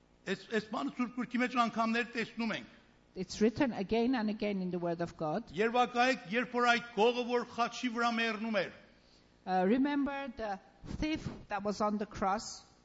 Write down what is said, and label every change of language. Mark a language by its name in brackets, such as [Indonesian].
[Armenian] Այս բանը Սուրբ Գրքի մեջ անգամներ տեսնում ենք։ [English] It's written again and again in the word of God. [Armenian] Երբակայեք, երբ որ այդ գողը որ խաչի վրա մեռնում էր, [English] Remember the thief that was on the cross.